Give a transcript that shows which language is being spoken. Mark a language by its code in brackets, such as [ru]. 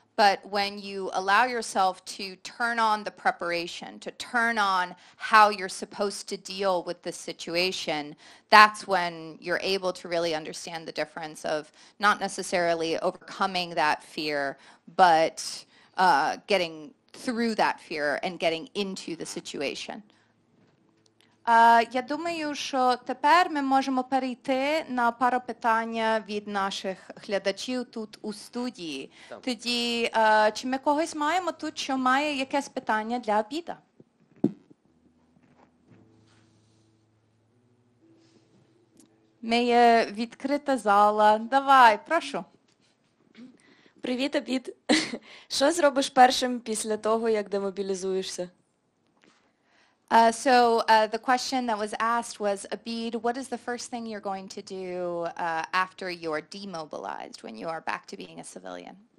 [en] But when you allow yourself to turn on the preparation, to turn on how you're supposed to deal with the situation, that's when you're able to really understand the difference of not necessarily overcoming that fear, but getting through that fear and getting into the situation. [uk] Я думаю, що тепер ми можемо перейти на пару питань від наших глядачів тут у студії. Там. Тоді, чи ми когось маємо тут, що має якесь питання для обіда? Ми є відкрита зала. Давай, прошу. Привіт, обід. Що зробиш першим після того, як демобілізуєшся? [en] So the question that was asked was, Abid, what is the first thing you're going to do after you're demobilized, when you are back to being a civilian?